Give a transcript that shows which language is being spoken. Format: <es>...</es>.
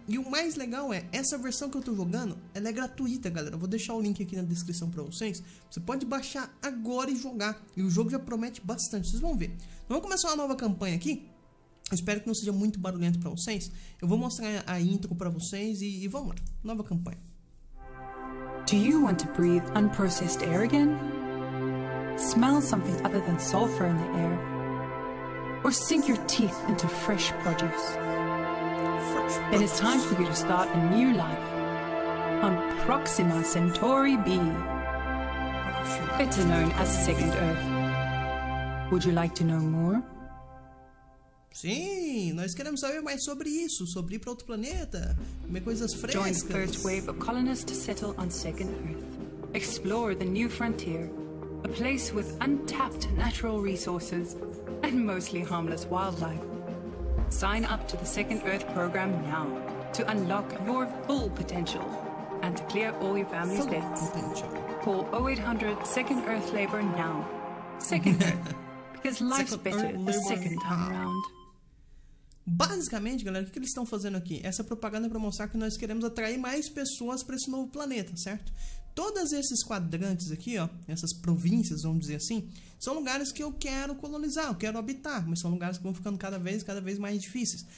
<pt>E o mais legal é, essa versão que eu tô jogando, ela é gratuita, galera. Vou deixar o link aqui na descrição pra vocês. Você pode baixar agora e jogar. E o jogo já promete bastante, vocês vão ver. Então vamos começar uma nova campanha aqui. Espero que não seja muito barulhento pra vocês. Eu vou mostrar a intro pra vocês e vamos lá. Nova campanha.</pt> <en>Do you want to breathe unprocessed air again? Smell something other than sulfur in the air? Or sink your teeth into fresh produce? Then it's time for you to start a new life on Proxima Centauri B, better known as Second Earth. Would you like to know more?</en> <pt>Sim, nós queremos saber mais sobre isso, sobre ir para outro planeta, comer coisas frescas.</pt> <en>Join the first wave of colonists to settle on Second Earth. Explore the new frontier. A place with untapped natural resources and mostly harmless wildlife. Sign up to the Second Earth program now to unlock your full potential and to clear all your family's debts. Call 0800 Second Earth Labor now. Second Earth, because life's better the second time around.</en> <pt>Basicamente, galera, o que eles estão fazendo aqui? Essa propaganda é para mostrar que nós queremos atrair mais pessoas para esse novo planeta, certo? Todos esses quadrantes aqui, ó, essas províncias, vamos dizer assim, são lugares que eu quero colonizar, eu quero habitar, mas são lugares que vão ficando cada vez mais difíceis.</pt>